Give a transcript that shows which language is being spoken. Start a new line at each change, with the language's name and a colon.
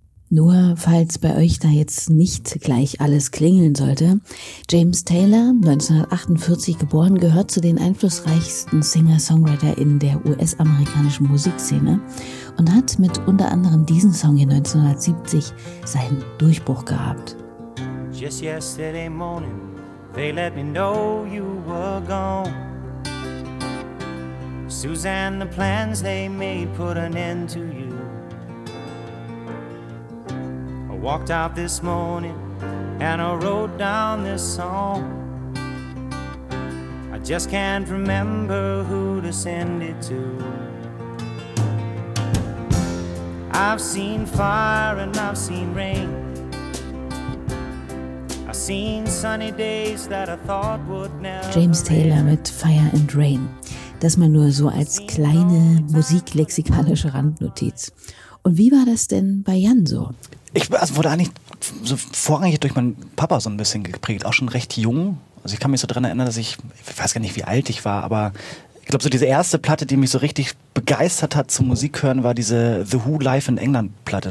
German: Nur falls bei euch da jetzt nicht gleich alles klingeln sollte, James Taylor, 1948 geboren, gehört zu den einflussreichsten Singer-Songwriterinnen der US-amerikanischen Musikszene und hat mit unter anderem diesem Song in 1970 seinen Durchbruch gehabt.
English: Just yesterday morning, they let me know you were gone. Suzanne, the plans they made put an end to you. Walked out this morning and I wrote down this song. I just can't remember who to send it to. I've seen fire and I've seen rain. I've seen sunny days that I thought would never.
German: James Taylor mit Fire and Rain. Das mal nur so als kleine musiklexikalische Randnotiz. Und wie war das denn bei Jan so? Ich wurde eigentlich so vorrangig durch meinen Papa so ein bisschen geprägt, auch schon recht jung. Also ich kann mich so daran erinnern, dass ich weiß gar nicht, wie alt ich war, aber ich glaube, so diese erste Platte, die mich so richtig begeistert hat zum Musik hören, war diese The Who Live in England Platte.